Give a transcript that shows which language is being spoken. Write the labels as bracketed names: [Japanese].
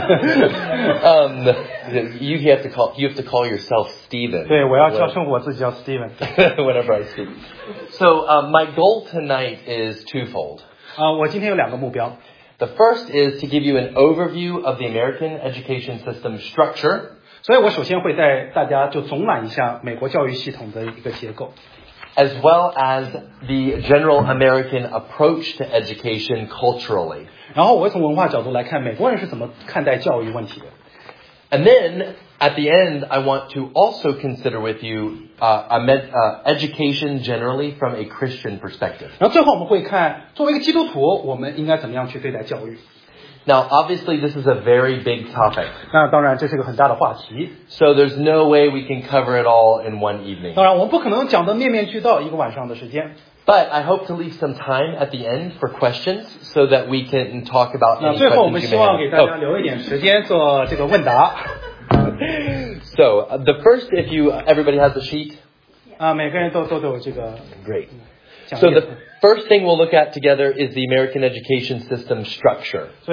[English] You have to call yourself Stephen. [Chinese] 对，我要叫称我自己叫Stephen. [English] Whenever I speak. So my goal tonight is twofold. [Chinese] 我今天有两个目标。 [English] The first is to give you an overview of the American education system structure. [Chinese] 所以我首先会带大家就总览一下美国教育系统的一个结构。 [English] As well as the general American approach to education culturally. [Chinese] 然后我会从文化角度来看美国人是怎么看待教育问题的。 [English] And then, at the end, I want to also consider with you education generally from a Christian perspective. [Chinese] 然后最后我们会看,作为一个基督徒,我们应该怎么样去对待教育。 [English] Now, obviously, this is a very big topic. [Chinese] 那当然,这是个很大的话题。 [English] So there's no way we can cover it all in one evening. [Chinese] 当然,我们不可能讲得面面俱到一个晚上的时间。 [English] But I hope to leave some time at the end for questions so that we can talk about any questions you may have. So, the first, if you, everybody has a sheet? Great. So the first thing we'll look at together is the American education system structure.